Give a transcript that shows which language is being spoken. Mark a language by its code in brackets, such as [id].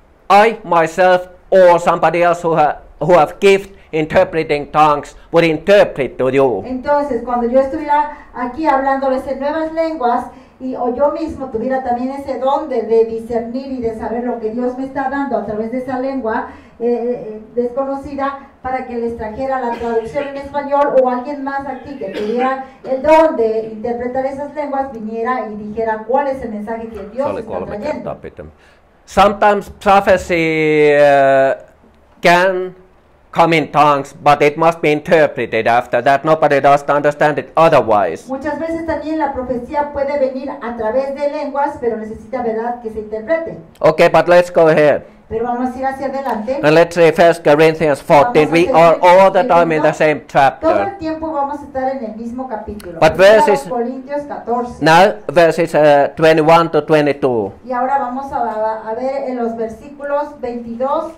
[en] I myself or somebody else who have gift interpreting tongues would interpret to you. [es] Entonces, cuando yo estuviera aquí hablándoles en nuevas lenguas y o yo mismo tuviera también ese don de discernir y de saber lo que Dios me está dando a través de esa lengua desconocida para que les trajera la traducción en español o alguien más aquí que tuviera el don de interpretar esas lenguas viniera y dijera cuál es el mensaje que Dios está trayendo. [en] Sometimes prophecy can come in tongues, but it must be interpreted after that. Nobody does to understand it otherwise. [es] Muchas veces también la profecía puede venir a través de lenguas, pero necesita verdad que se interprete. [en] Okay, but let's go ahead. [es] Pero vamos a ir hacia adelante. [en] And let's read 1 Corinthians 14. We are all the time in the same chapter. [es] Todo el tiempo vamos a estar en el mismo capítulo. [en] But verses. [es] Corintios 14. [en] Now verses 21 to 22. [es] Y ahora vamos a ver en los versículos 22.